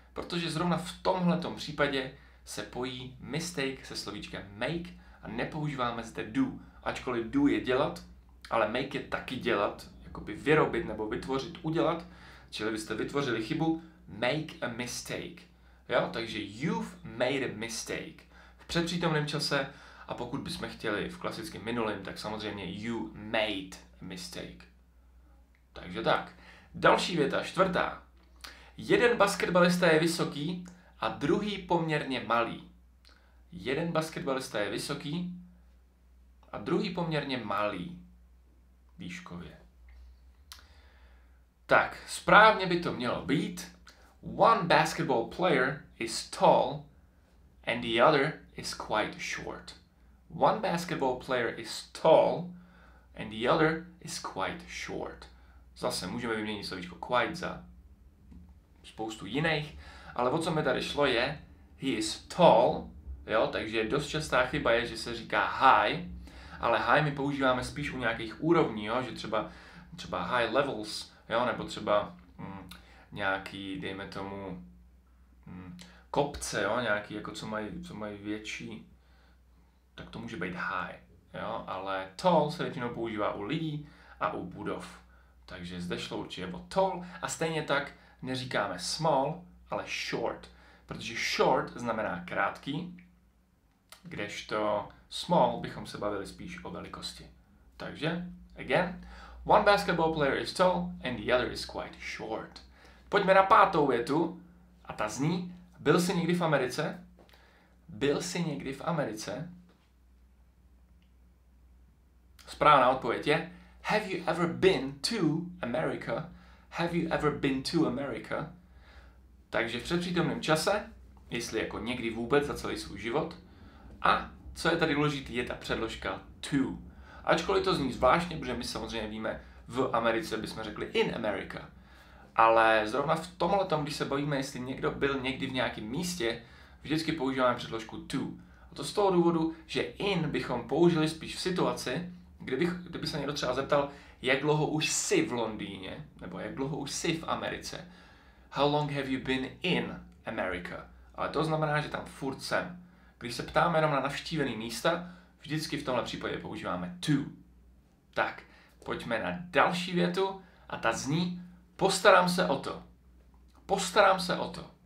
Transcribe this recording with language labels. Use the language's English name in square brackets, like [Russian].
[Czech] Protože zrovna v tomhletom případě se pojí mistake se slovíčkem make, a nepoužíváme zde do, ačkoliv do je dělat, ale make je taky dělat, jakoby vyrobit nebo vytvořit, udělat, čili byste vytvořili chybu, [English] make a mistake. [Czech] Jo, takže [English] you've made a mistake. [Czech] V předpřítomném čase a pokud bychom chtěli v klasickém minulém, tak samozřejmě [English] you made a mistake. [Czech] Takže tak. Další věta, 4. Jeden basketbalista je vysoký a druhý poměrně malý. Jeden basketbalista je vysoký a druhý poměrně malý výškově. Tak, správně by to mělo být. [English] One basketball player is tall and the other is quite short. One basketball player is tall and the other is quite short. [Czech] Zase můžeme vyměnit slovíčko quite za spoustu jiných, ale o co mi tady šlo je [English] he is tall. [Czech] Jo, takže dost častá chyba je, že se říká high, ale high my používáme spíš u nějakých úrovní, jo, že třeba [English] high levels, [Czech] jo, nebo třeba nějaký, dejme tomu, kopce, jo, nějaký, jako co mají větší, tak to může být high, jo, ale tall se většinou používá u lidí a u budov, takže zde šlo určitě o tall a stejně tak neříkáme small, ale short, protože short znamená krátký, kdežto small bychom se bavili spíš o velikosti. Takže, [English] again, one basketball player is tall and the other is quite short. [Czech] Pojďme na 5. větu a ta zní, byl jsi někdy v Americe? Byl jsi někdy v Americe? Správná odpověď je, [English] have you ever been to America? Have you ever been to America? [Czech] Takže v předpřítomném čase, jestli jako někdy vůbec za celý svůj život, a co je tady důležitý, je ta předložka to. Ačkoliv to zní zvláštně, protože my samozřejmě víme, v Americe bychom řekli [English] in America. [Czech] Ale zrovna v tomhle tom, když se bavíme, jestli někdo byl někdy v nějakém místě, vždycky používáme předložku to. A to z toho důvodu, že in bychom použili spíš v situaci, kdyby se někdo třeba zeptal, jak dlouho už jsi v Londýně, nebo jak dlouho už jsi v Americe. [English] How long have you been in America? [Czech] Ale to znamená, že tam furt jsem. Když se ptáme jenom na navštívený místa, vždycky v tomhle případě používáme to. Tak, pojďme na další větu a ta zní, postarám se o to. Postarám se o to.